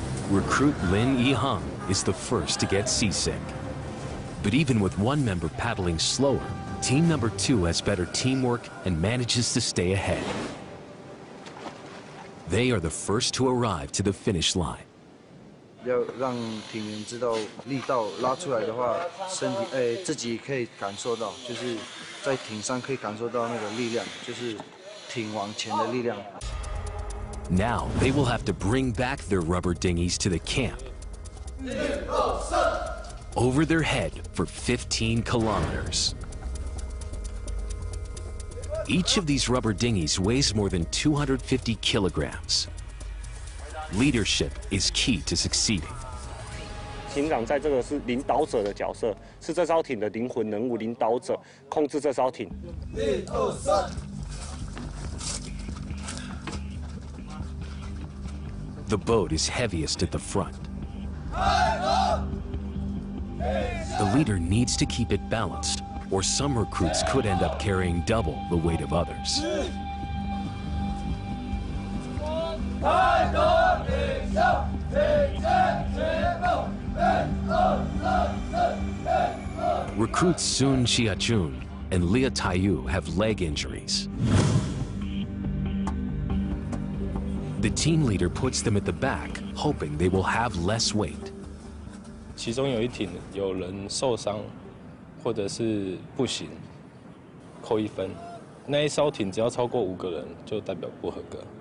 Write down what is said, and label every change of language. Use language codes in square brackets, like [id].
[en] Recruit Lin Yihang is the first to get seasick. But even with one member paddling slower, team number two has better teamwork and manages to stay ahead. They are the first to arrive to the finish line. [zh] 要让艇员知道力道拉出来的话，身体哎自己可以感受到，就是在艇上可以感受到那个力量，就是艇往前的力量。 [en] Now they will have to bring back their rubber dinghies to the camp. Over their head for 15 kilometers. Each of these rubber dinghies weighs more than 250 kilograms. Leadership is key to succeeding. [zh] 艇长在这个是领导者的角色，是这艘艇的灵魂人物，领导者控制这艘艇。 [en] The boat is heaviest at the front. The leader needs to keep it balanced, or some recruits could end up carrying double the weight of others. Recruits Sun Chia-chun and Leah Taiyu have leg injuries. The team leader puts them at the back, hoping they will have less weight. [zh] 其中有一艇有人受伤或者是不行，扣一分。那一艘艇只要超过五个人，就代表不合格。